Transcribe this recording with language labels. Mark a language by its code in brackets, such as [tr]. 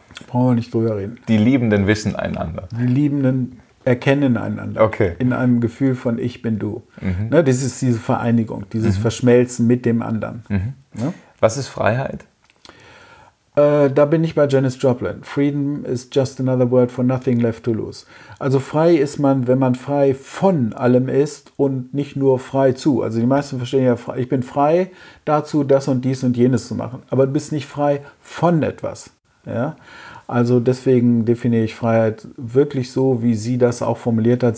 [de] Brauchen wir nicht drüber reden. Die Liebenden wissen einander. Die Liebenden erkennen einander. Okay. In einem Gefühl von ich bin du. Mhm. Ne, das ist diese Vereinigung, dieses Verschmelzen mit dem anderen. Mhm. Ne? Was ist Freiheit? Da bin ich bei Janis Joplin. [en] Freedom is just another word for nothing left to lose. [de] Also frei ist man, wenn man frei von allem ist und nicht nur frei zu. Also die meisten verstehen ja, ich bin frei dazu, das und dies und jenes zu machen. Aber du bist nicht frei von etwas. Ja? Also deswegen definiere ich Freiheit wirklich so, wie sie das auch formuliert hat.